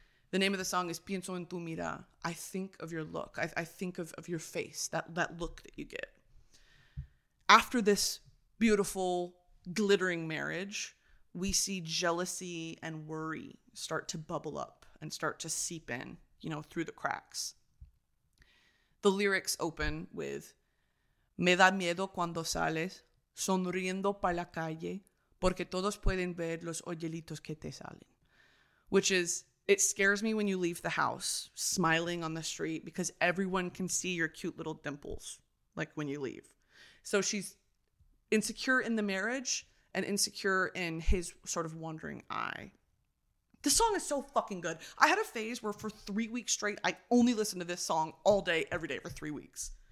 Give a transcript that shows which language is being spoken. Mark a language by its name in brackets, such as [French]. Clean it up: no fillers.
[English] The name of the song is Pienso en tu mira. I think of your look. I think of your face, that look that you get. After this beautiful, glittering marriage, we see jealousy and worry start to bubble up and start to seep in, you know, through the cracks. The lyrics open with, [Spanish] me da miedo cuando sales sonriendo para la calle porque todos pueden ver los hoyelitos que te salen. [English] Which is, it scares me when you leave the house smiling on the street because everyone can see your cute little dimples, like when you leave. So she's insecure in the marriage and insecure in his sort of wandering eye. This song is so fucking good. I had a phase where for 3 weeks straight, I only listened to this song all day, every day for 3 weeks.